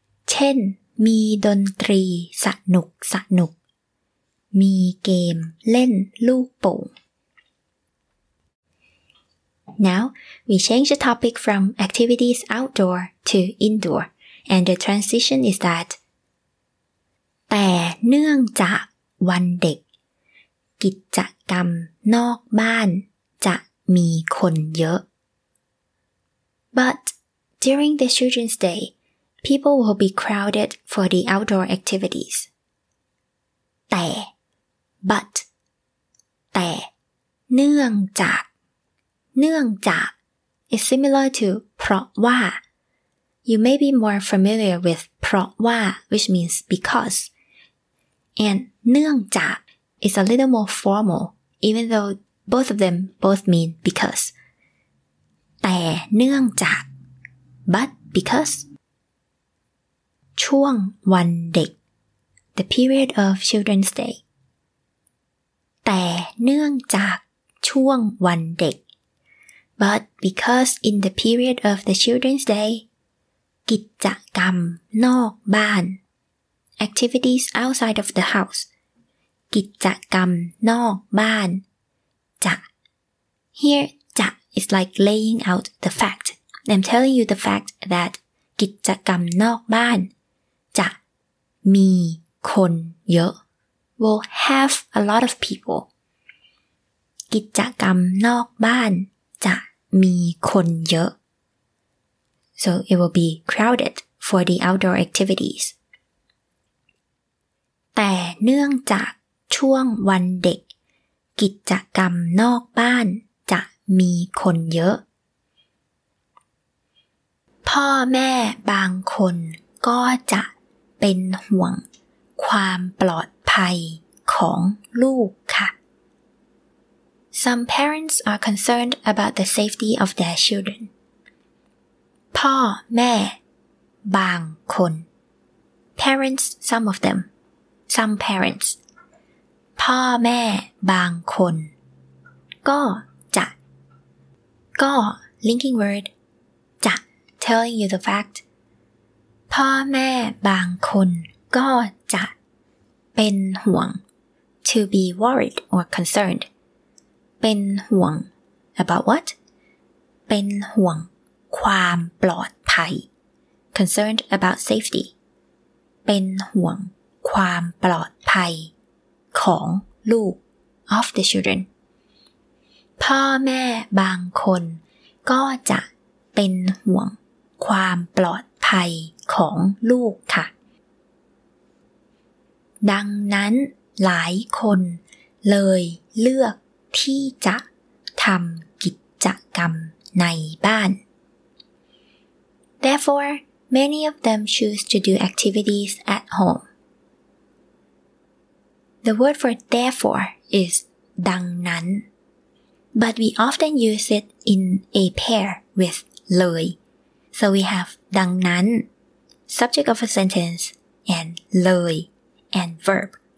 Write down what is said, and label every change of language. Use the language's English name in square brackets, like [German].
[Thai] เช่นมีดนตรีสนุกสนุกมีเกมเล่นลูกโป่ง [English] Now, we change the topic from activities outdoor to indoor, and the transition is that [Thai] แต่เนื่องจากวันเด็กกิจกรรมนอกบ้านจะมีคนเยอะ [English] But during the children's day, people will be crowded for the outdoor activities. [Thai] แต่ but แต่เนื่องจากเนื่องจาก [English] is similar to เพราะว่า You may be more familiar with เพราะว่า which means because and เนื่องจาก is a little more formal even though both of them both mean because [Thai] แต่เนื่องจาก [English] but because [Thai] ช่วงวันเด็ก [English] the period of children's day [Thai] แต่เนื่องจากช่วงวันเด็ก [English] But because in the period of the children's day, [Thai] กิจกรรมนอกบ้าน [English] activities outside of the house, [Thai] กิจกรรมนอกบ้านจะ [English] here จะ is like laying out the fact. I'm telling you the fact that [Thai] กิจกรรมนอกบ้านจะมีคนเยอะ [English] will have a lot of people. [Thai] กิจกรรมนอกบ้านจะมีคนเยอะ [English] so it will be crowded for the outdoor activities [Thai] แต่เนื่องจากช่วงวันเด็กกิจกรรมนอกบ้านจะมีคนเยอะพ่อแม่บางคนก็จะเป็นห่วงความปลอดภัยของลูกค่ะ [English] Some parents are concerned about the safety of their children. [Thai] พ่อแม่บางคน [English] Parents, some of them. Some parents. [Thai] พ่อแม่บางคนก็จะ [English] ก็ linking word [Thai] จะ [English] telling you the fact. [Thai] พ่อแม่บางคนก็จะเป็นห่วง [English] to be worried or concerned. [Thai] เป็นห่วง [English] about what [Thai] เป็นห่วงความปลอดภัย [English] concerned about safety [Thai] เป็นห่วงความปลอดภัยของลูก [English] of the children [Thai] พ่อแม่บางคนก็จะเป็นห่วงความปลอดภัยของลูกค่ะดังนั้นหลายคนเลยเลือกที่จะทำกิจกรรมในบ้าน [English] Therefore, many of them choose to do activities at home. The word for therefore is [Thai] ดังนั้น [English] But we often use it in a pair with เลย So we have ดังนั้น subject of a sentence and เลย and verb.